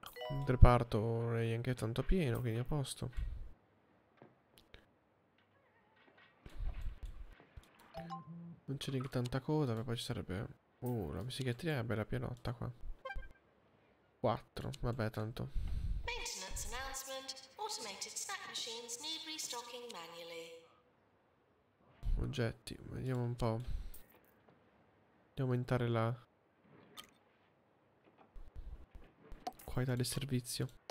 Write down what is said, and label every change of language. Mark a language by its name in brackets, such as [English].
[Italian] Il reparto è anche tanto pieno, quindi a posto. Non c'è neanche tanta coda, poi ci sarebbe. La psichiatria è bella pianotta qua. 4, vabbè, tanto. [English] Maintenance announcement. Automated snack machines need restocking manually. [Italian] Oggetti, vediamo un po'. Devo aumentare la qualità del servizio.